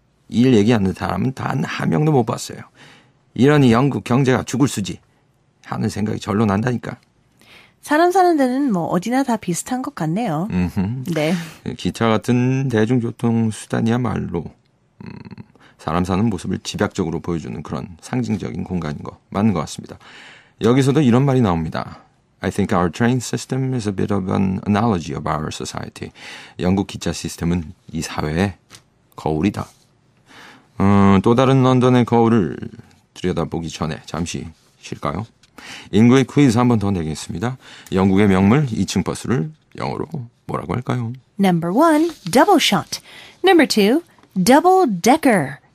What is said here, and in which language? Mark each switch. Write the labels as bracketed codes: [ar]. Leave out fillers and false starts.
[ko] 일 얘기하는 사람은 단 한 명도 못 봤어요. 이러니 영국 경제가 죽을 수지 하는 생각이 절로 난다니까. 사람 사는 데는 뭐 어디나 다 비슷한 것 같네요. 네. 기차 같은 대중교통수단이야말로 사람 사는 모습을 집약적으로 보여주는 그런 상징적인 공간인 거 맞는 것 같습니다. 여기서도 이런 말이 나옵니다. [en] I think our train system is a bit of an analogy of our society. [ko] 영국 기차 시스템은 이 사회의 거울이다. 또 다른 런던의 거울을 들여다보기 전에 잠시 쉴까요? 인구의 퀴즈 한번 더 내겠습니다. 영국의 명물 2층 버스를 영어로 뭐라고 할까요? [en] Number 1, double shot. Number 2, double decker.